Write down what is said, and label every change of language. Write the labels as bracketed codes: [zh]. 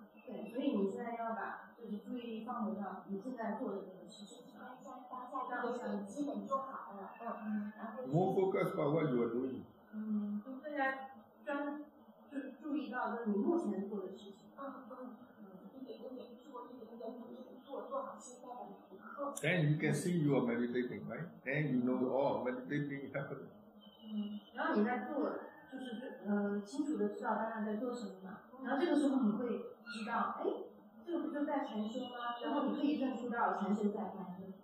[zh] 对，所以你现在要把就是注意力放回到你现在做的这个事情上。当下你基本做好了。 [en] More focus on what you are doing。 [zh] 就更加专，就是注意到就是你目前做的事情。一点一点做，一点一点努力做好。 [en] Then you can see you are meditating, right? Then you know all meditating is happening. [zh] 然后你在做，就是清楚的知道大家在做什么嘛。然后这个时候你会知道，哎，这个不就在禅修吗？然后你可以认出到禅修在反应。